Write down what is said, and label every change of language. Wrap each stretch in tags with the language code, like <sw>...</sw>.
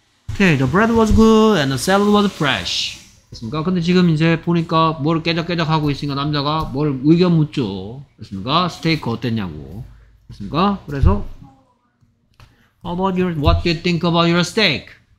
<en>오케이, the bread was good and the salad was fresh.</en> <ko>됐습니까? 근데 지금 이제 보니까 뭘 깨작깨작 하고 있으니까 남자가 뭘 의견 묻죠. 됐습니까? 스테이크 어땠냐고. 됐습니까? 그래서</ko> <en>What do you think about your steak?</en>